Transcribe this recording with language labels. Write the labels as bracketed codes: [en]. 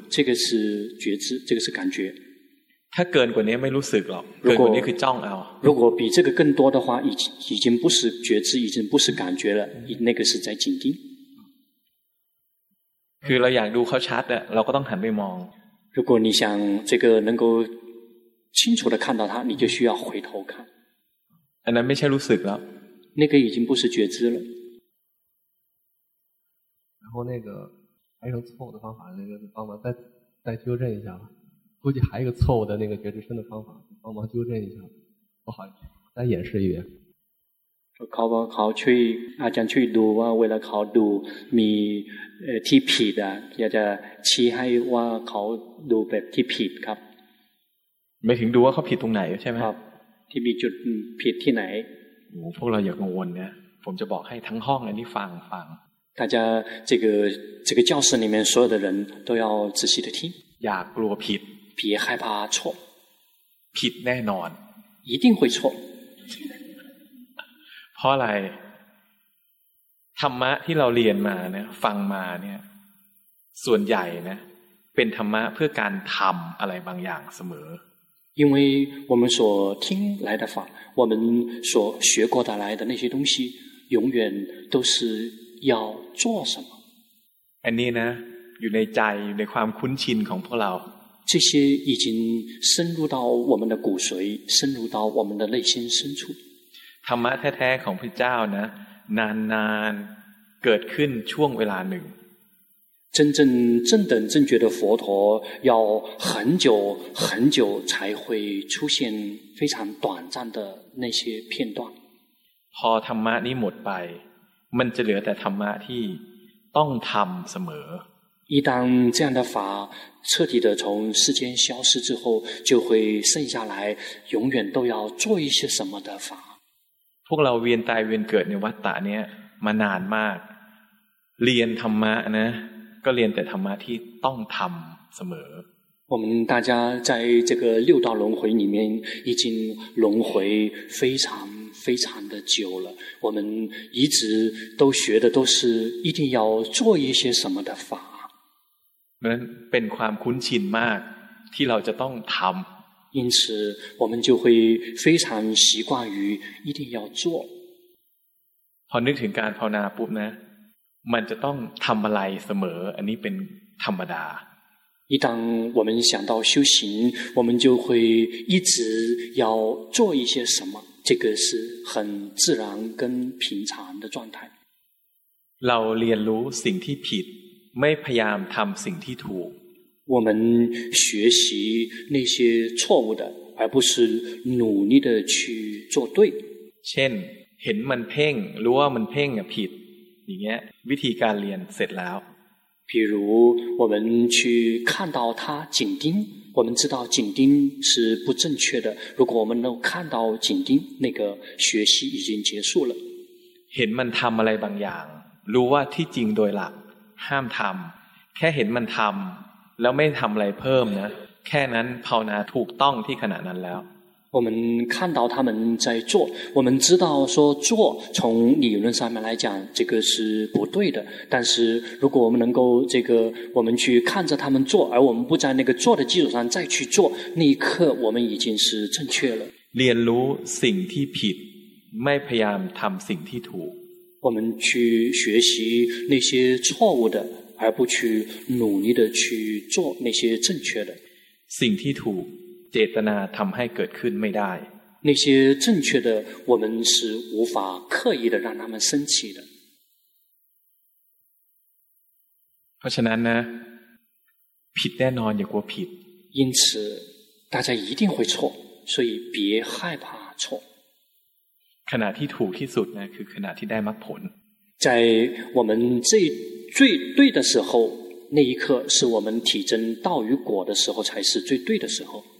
[zh] 这个是觉知，这个是感觉。 [th] ถ้าเกินกว่านี้ไม่รู้สึกหรอก。 เกินกว่านี้คือจ้องเอา。 [zh] 如果比这个更多的话，已经不是觉知，已经不是感觉了，那个是在紧盯。 [th] คือเราอยากดูเขาชัดอะเราก็ต้องหันไปมอง。 [zh] 如果你想这个能够清楚的看到他，你就需要回头看。 [th] อันนั้นไม่ใช่รู้สึกแล้ว。 [zh] 那个已经不是觉知了。然后那个还有错误的方法，那个帮忙再纠正一下吧。估计还有一个错误的那个觉知身的方法，帮忙纠正一下，不好意思，再演示一遍。 [th] เขาช่วยอาจารย์ช่วยดูว่าเวลาเขาดูมีที่ผิดอ่ะอยากจะชี้ให้ว่าเขาดูแบบที่ผิดครับ ไม่ถึงดูว่าเขาผิดตรงไหนใช่ไหม ครับที่มีจุดผิดที่ไหน โอ้พวกเราอย่ากังวลนะผมจะบอกให้ทั้งห้องนี้ฟัง [zh] 大家这个教室里面所有的人都要仔细的听 [th] อย่ากลัวผิด [zh] 别害怕错 [th] ผิดแน่นอน [zh] 一定会错 [th] เพราะอะไรธรรมะที่เราเรียนมาเนี่ยฟังมาเนี่ยส่วนใหญ่นะเป็นธรรมะเพื่อการทำอะไรบางอย่างเสมอ [zh] 因为我们所听来的法我们所学过的来的那些东西永远都是要做什么 [th] อันนี้นะอยู่ในใจอยู่ในความคุ้นชินของพวกเรา [zh] 这些已经深入到我们的骨髓深入到我们的内心深处 [th] ธรรมะแท้ๆของพระเจ้านะนานๆเกิดขึ้นช่วงเวลาหนึ่ง [zh] 真正正等正觉的佛陀要很久很久才会出现非常短暂的那些片段 [th] พอธรรมะนี้หมดไปมันจะเหลือแต่ธรรมะที่ต้องทำเสม [zh] อ一旦这样的法彻底的从世间消失之后就会剩下来永远都要做一些什么的法 [th] พวกเราเวียนตายเวียนเกิดในวัฏฏะเนี่ยมานานมากเรียนธรรมะนะก็เรียนแต่ธรรมะที่ต้องทำเสม [zh] อ我们大家在这个六道轮回里面已经轮回非常非常的久了我们一直都学的都是一定要做一些什么的法 [th] นั้นเป็นความคุ้นชินมากที่เราจะต้องทำ [zh] 因此我们就会非常习惯于一定要做 [th] พอนึกถึงการภาวนาปุ๊บนะมันจะต้องทำอะไรเสมออันนี้เป็นธรรมดา [zh] 一旦我们想到修行我们就会一直要做一些什么这个是很自然跟平常的状态 [th] เราเรียนรู้สิ่งที่ผิดไม่พยายามทำสิ่งที่ถูก [zh] 我们学习那些错误的而不是努力的去做对 [th] เช่นเห็นมันเพ่งรู้ว่ามันเพ่งผิดอย่างเงี้ยวิธีการเรียนเสร็จแล้ว [zh] 比如我们去看到他紧盯我们知道紧盯是不正确的如果我们能看到紧盯那个学习已经结束了 [th] เห็นมันทำอะไรบางอย่างรู้ว่าที่จริงโดยหลักห้ามทำแค่เห็นมันทำแล้วไม่ทำอะไรเพิ่มนะแค่นั้นภาวนาถูกต้องที่ขณะนั้นแล้ว [zh] 我们看到他们在做我们知道说做从理论上面来讲这个是不对的但是如果我们能够这个我们去看着他们做而我们不在那个做的基础上再去做那一刻我们已经是正确了 [th] เรียนรู้สิ่งที่ผิดไม่พยายามทำสิ่งที่ถูก [zh] 我们去学习那些错误的而不去努力的去做那些正确的 [th] สิ่งที่ถูกเจตนาทำให้เกิดขึ้นไม่ได้ [zh] 那些正确的我们是无法刻意的让他们升起的 [th] เพราะฉะนั้นนะผิดแน่นอนอย่ากลัวผิด [zh] 因此大家一定会错所以别害怕错 [th] ขณะที่ถูกที่สุดนะคือขณะที่ได้มรรคผล [zh] 在我们最对的时候那一刻是我们体证道与果的时候才是最对的时候